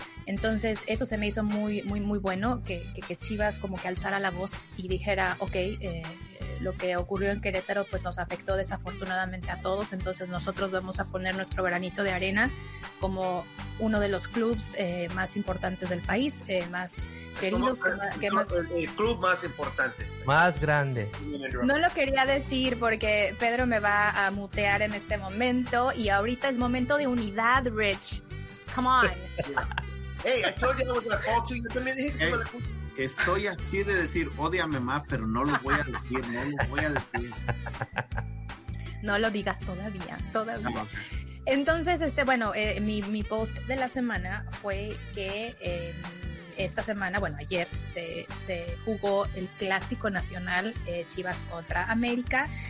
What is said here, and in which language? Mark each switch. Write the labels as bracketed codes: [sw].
[es] Entonces eso se me hizo muy, muy, muy bueno, que Chivas como que alzara la voz y dijera, okay, lo que ocurrió en Querétaro pues nos afectó desafortunadamente a todos, entonces nosotros vamos a poner nuestro granito de arena como uno de los clubs más importantes del país, más queridos, que más, el club más importante, más grande. No lo quería decir porque Pedro me va a mutear en este momento, y ahorita es momento de unidad. [en] Rich, come on. Hey, I told you I was gonna call to you. [es] Estoy así de decir, ódiame más, pero no lo voy a decir, no lo voy a decir. No lo digas todavía. No. Entonces, bueno, mi post de la semana fue que esta semana, bueno, ayer se jugó el Clásico Nacional, Chivas contra América.